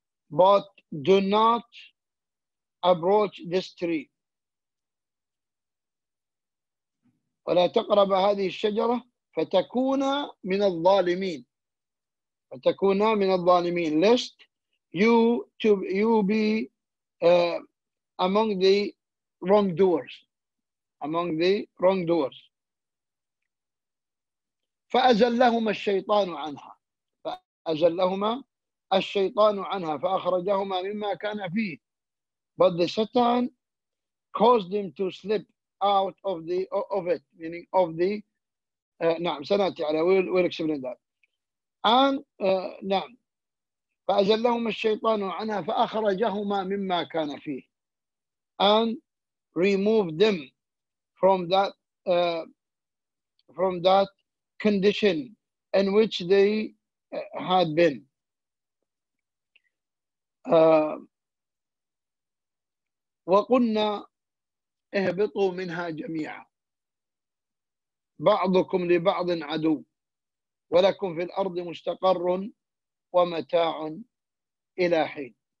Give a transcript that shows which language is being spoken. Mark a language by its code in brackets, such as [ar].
[en] But do not approach this tree. [ar] ولا تقرب هذه الشجرة فتكون من الظالمين. فتكون من الظالمين. [en] Lest you be among the wrongdoers. Among the wrongdoers. [ar] فأزلهما الشيطان عنها. فأزلهما الشيطان عنها فأخرجهما مما كان فيه. [en] But the Satan caused him to slip out of the of it, meaning of the [ar] نعم سنأتي على [en] we'll explain that. [ar] And نعم فأزلهما الشيطان عنها فأخرجهما مما كان فيه. [en] And removed them from that condition in which they had been. [ar] وقلنا اهبطوا منها جميعا بعضكم لبعض عدو ولكم في الأرض مستقر ومتاع إلى حين.